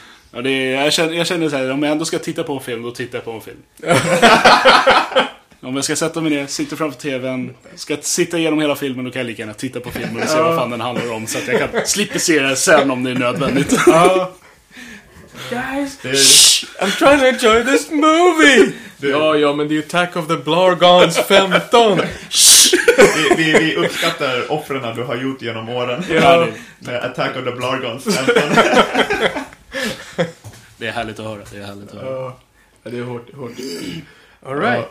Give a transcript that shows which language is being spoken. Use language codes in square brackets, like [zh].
[sv] Ja, det är, jag känner så här, om jag ändå ska titta på en film, då tittar jag på en film. Om jag ska sätta mig ner, sitta framför tvn, ska sitta igenom hela filmen, då kan jag lika gärna titta på filmen och se vad fan den handlar om, så att jag kan slippa se det sen om det är nödvändigt. [en] Guys, shh, I'm trying to enjoy this movie. [sv] Ja, men det är Attack of the Blargons 15. Vi uppskattar offren du har gjort genom åren. Ja, med Attack of the Blargons 15. Det är härligt att höra, det är härligt att höra. Ja, det är hårt. [en] All right. [sv] Ja,